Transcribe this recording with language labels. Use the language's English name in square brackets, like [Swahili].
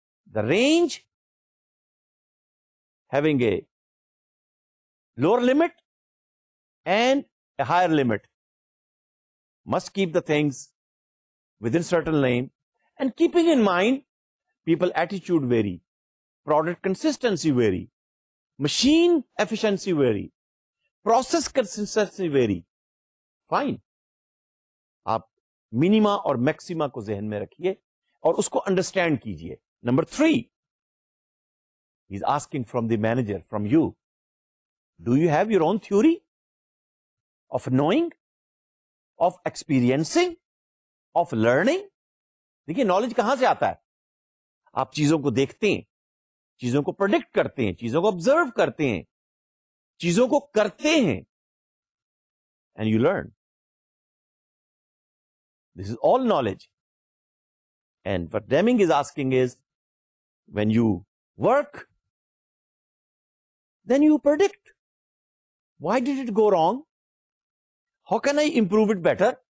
[English] The range having a lower limit and a higher limit, must keep the things within certain lane, and keeping in mind people attitude vary, product consistency vary, machine efficiency vary, process consistency vary. Fine. [Urdu] آپ minima اور maxima کو ذہن میں رکھیے اور اس کو understand کیجیے. [English] Number three, he's asking from the manager, from you, do you have your own theory of knowing, of experiencing, of learning? [Urdu] دیکھیے نالج کہاں سے آتا ہے. آپ چیزوں کو دیکھتے ہیں, چیزوں کو پرڈکٹ کرتے ہیں, چیزوں کو آبزرو کرتے ہیں, چیزوں کو کرتے ہیں, [English] And you learn. This is all knowledge. And what Deming is asking us when you work then you product why did it go wrong, how can I improve it better.